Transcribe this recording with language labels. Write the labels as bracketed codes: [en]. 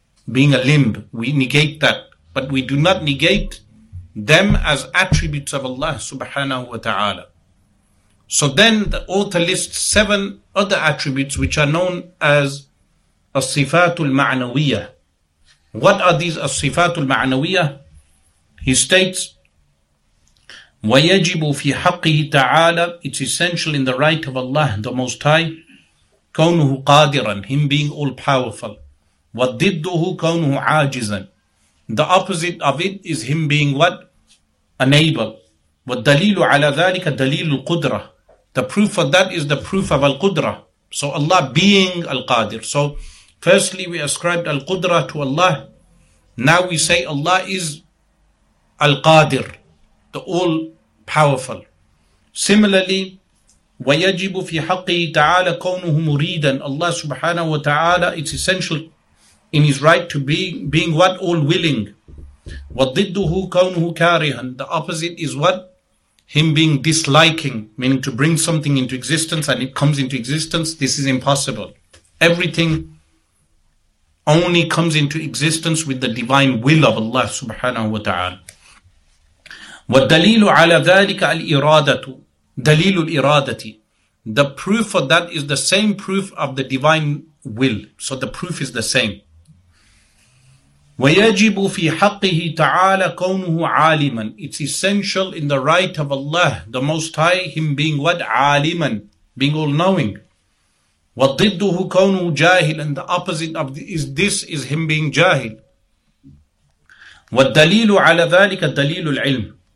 [en] Being a limb, we negate that. But we do not negate them as attributes of Allah subhanahu wa ta'ala. So then the author lists seven other attributes which are known as as-sifatul ma'nawiyyah. What are these as-sifatul ma'nawiyyah? He states, [ar] وَيَجِبُ فِي حَقِّهِ تَعَالَى. [en] It's essential in the right of Allah, the Most High. [ar] كَوْنُهُ قَادِرًا. [en] Him being all-powerful. [ar] وَضِدُّهُ كَوْنُهُ عَاجِزًا. [en] The opposite of it is him being what? Unable. [ar] وَالدَّلِيلُ عَلَى ذَلِكَ دَلِيلُ الْقُدْرَةِ. [en] The proof of that is the proof of al-qudrah. So Allah being al-qadir. So firstly we ascribed al-qudrah to Allah. Now we say Allah is al-qadir, the all-powerful. Similarly, [ar] وَيَجِبُ فِي حَقِّهِ تَعَالَى كَوْنُهُ مُرِيدًا. [en] Allah subhanahu wa ta'ala, it's essential in his right to being what? All-willing. [ar] وَضِدُّهُ كَوْنُهُ كَارِهًا. [en] The opposite is what? Him being disliking, meaning to bring something into existence and it comes into existence. This is impossible. Everything only comes into existence with the divine will of Allah subhanahu wa ta'ala. [ar] وَالدَّلِيلُ عَلَى ذَٰلِكَ الْإِرَادَةُ. دَلِيلُ الْإِرَادَةِ. [en] The proof of that is the same proof of the divine will. So the proof is the same. [ar] وَيَجِبُ فِي حَقِّهِ تَعَالَى كَوْنُهُ عَالِمًا. [en] It's essential in the right of Allah, the Most High, him being what? [ar] عَالِمًا. [en] Being all-knowing. [ar] وَضِدُّهُ كَوْنُهُ جَاهِلًا. [en] And the opposite of this is him being jahil. [ar] وَالدَّلِيلُ عَلَى ذَٰلِكَ دَلِيلُ الْعِلْمِ.